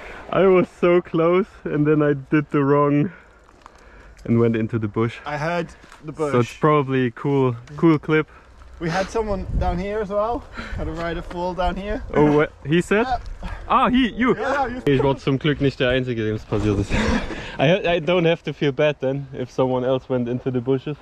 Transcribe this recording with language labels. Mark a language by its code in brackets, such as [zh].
[en] I was so close and then I did the wrong and went into the bush. I heard the bush. So it's probably a cool clip. We had someone down here as well. Had a rider fall down here. Oh, what? He said? Yeah. Ah, you. [de] Yeah, ich war zum Glück nicht der Einzige, dem es passiert ist. [en] I don't have to feel bad then if someone else went into the bushes.